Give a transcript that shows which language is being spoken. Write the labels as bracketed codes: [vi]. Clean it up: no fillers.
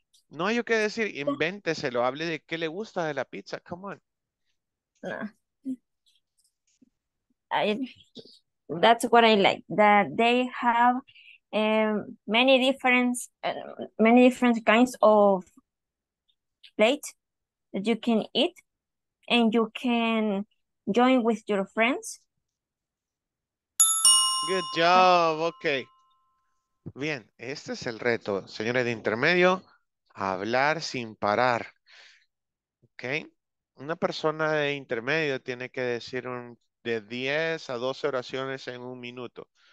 [es] No hay que decir, invénteselo, hable de qué le gusta de la pizza, [en] come on. That's what I like, that they have many different kinds of plates that you can eat, and you can join with your friends. Good job, okay. [es] Bien, este es el reto, señores de intermedio, hablar sin parar. Okay. Una persona de intermedio tiene que decir de 10 a 12 oraciones en un minuto.